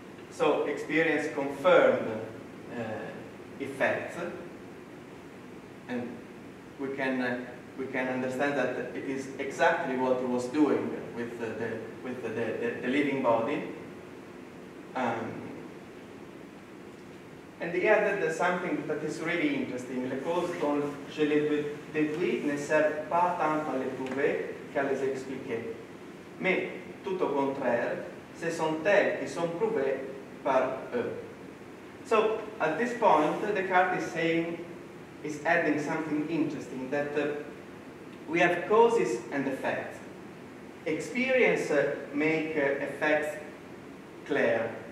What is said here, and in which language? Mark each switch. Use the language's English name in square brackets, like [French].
[English] So experience confirmed effects, and we can understand that it is exactly what he was doing with the living body. And he added something that is really interesting. [French] Les causes dont je les déduis ne servent pas tant à les prouver qu'à les expliquer. Mais, tout au contraire, ce sont elles qui sont prouvées par eux. [English] So, at this point, Descartes is adding something interesting, that we have causes and effects. Experience make effects clear.